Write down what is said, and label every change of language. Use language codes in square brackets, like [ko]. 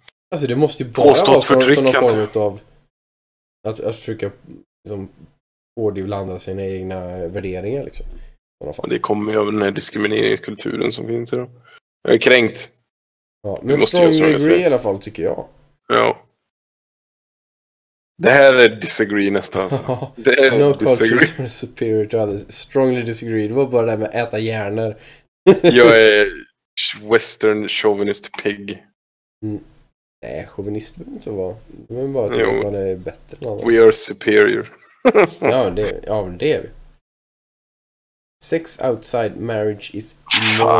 [sv] Alltså det måste ju bara vara sådana form av att försöka liksom pådivlanda sina egna värderingar liksom. Det kommer ju av den här diskrimineringskulturen som finns idag. Jag är kränkt. Ja, men [en] strongly agree [sv] i alla fall tycker jag. Ja. Det här är disagree nästan. Alltså. [en] No cultures are superior to others. Strongly disagree. [sv] Det var bara det med äta hjärnor. Jag är [en] western chauvinist pig. Mm. [sv] Nej, chauvinist behöver inte vara. Det är bara att man är bättre. [en] We are superior. [sv] Ja, men det är vi. [en] Sex outside marriage is immoral.